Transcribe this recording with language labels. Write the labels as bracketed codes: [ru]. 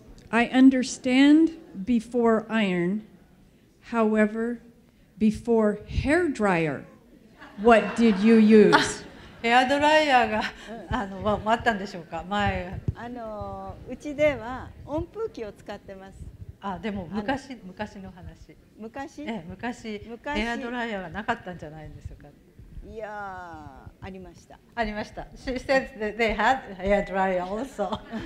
[en] I understand before iron, however, before hair dryer, what did you use? [ja] ヘアドライヤーが、うん、あったんでしょうか前。うちでは温風機を使ってます。でも昔の話。昔ヘアドライヤーがなかったんじゃないんですか。いやー、ありました。ありました。 [en] She said that they had hair dryer also.